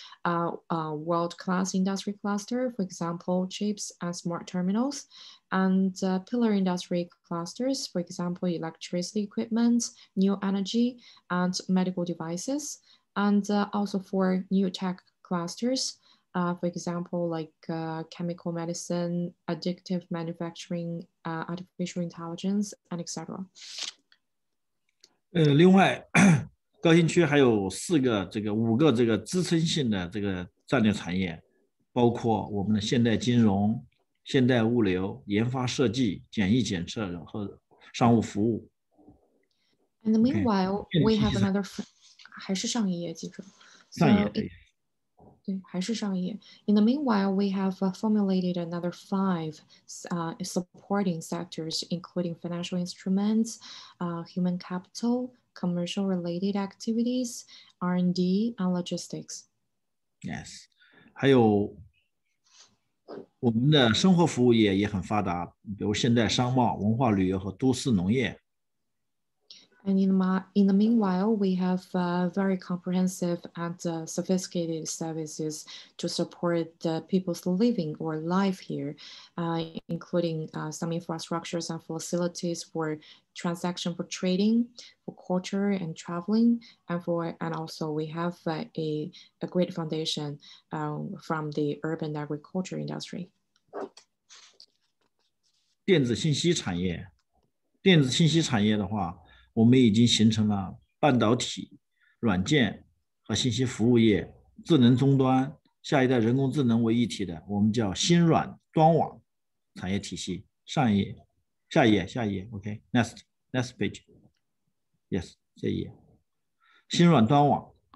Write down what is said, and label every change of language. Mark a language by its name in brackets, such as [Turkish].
[English] world-class industry cluster, for example, chips and smart terminals, and pillar industry clusters, for example, electricity equipment, new energy, and medical devices, and also for new tech clusters, for example, like chemical medicine, additive manufacturing, artificial intelligence, and etc. [Chinese] 另外, 高新区还有五个支撑性的这个战略产业，包括我们的现代金融、现代物流、研发设计、简易检测和商务服务。 [English] And meanwhile, okay, we have another, [Chinese] 还是上一页。 [English] In the meanwhile, we have formulated another five supporting sectors, including financial instruments, human capital, commercial related activities, R&D, and logistics. Yes. [Chinese] 还有我们的生活服务业也很发达, 比如现代商贸、文化旅游和都市农业。 [English] And in the meanwhile, we have very comprehensive and sophisticated services to support the people's living or life here, including some infrastructures and facilities for transaction for trading, for culture and traveling, and also we have a great foundation from the urban agriculture industry. [Chinese] 电子信息产业的话, 我们已经形成了半导体、软件和信息服务业、智能终端、下一代人工智能为一体的，我们叫新软端网产业体系。上一页，下一页， [English] OK，next page，yes， [Chinese] 这一页，新软端网。